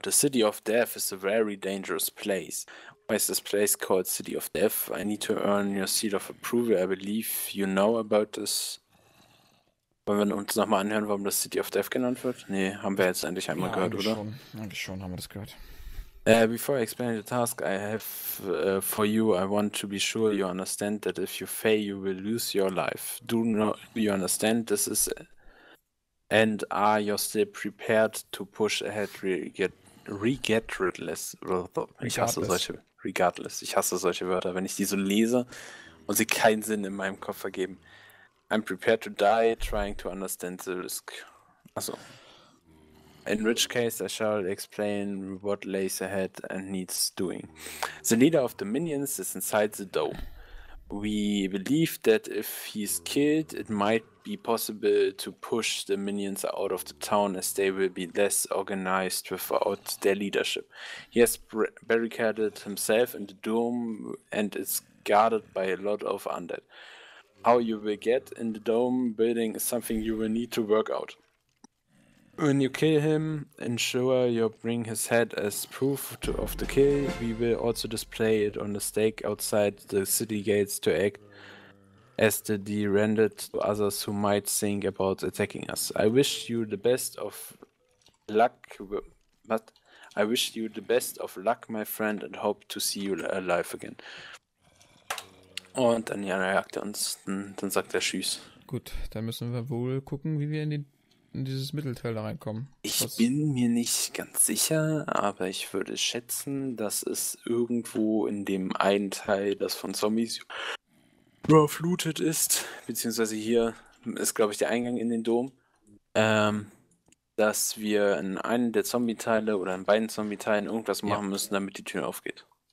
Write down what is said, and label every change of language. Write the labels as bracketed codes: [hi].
[en] The City of Death is a very dangerous place. Why is this place called City of Death? I need to earn your seal of approval. I believe you know about this. [de] Wollen wir uns nochmal anhören, warum das City of Death genannt wird? Nee, haben wir jetzt endlich einmal gehört, oder? Eigentlich schon haben wir das gehört. [en] Before I explain the task I have for you, I want to be sure you understand that if you fail, you will lose your life. Do not you understand this is and are you still prepared to push ahead regardless? [de] Ich hasse [en] Regardless. [de] solche regardless. Ich hasse solche Wörter, wenn ich die so lese und sie keinen Sinn in meinem Kopf ergeben. [en] I'm prepared to die trying to understand the risk. Also. In which case I shall explain what lays ahead and needs doing. The leader of the minions is inside the dome. We believe that if he's killed, it might be possible to push the minions out of the town as they will be less organized without their leadership. He has barricaded himself in the dome and is guarded by a lot of undead. How you will get in the dome building is something you will need to work out. When you kill him, ensure you bring his head as proof of the kill. We will also display it on the stake outside the city gates to act as the derended to others who might think about attacking us. I wish you the best of luck, but I wish you the best of luck, my friend, and hope to see you alive again. [de] Und dann ja, reagiert er uns, dann sagt er tschüss. Gut, dann müssen wir wohl gucken, wie wir in dieses Mittelteil da reinkommen. Ich bin mir nicht ganz sicher, aber ich würde schätzen, dass es irgendwo in dem einen Teil, das von Zombies überflutet ist, beziehungsweise hier ist, glaube ich, der Eingang in den Dom, dass wir in einem der Zombie-Teile oder in beiden Zombie-Teilen irgendwas machen müssen, damit die Tür aufgeht.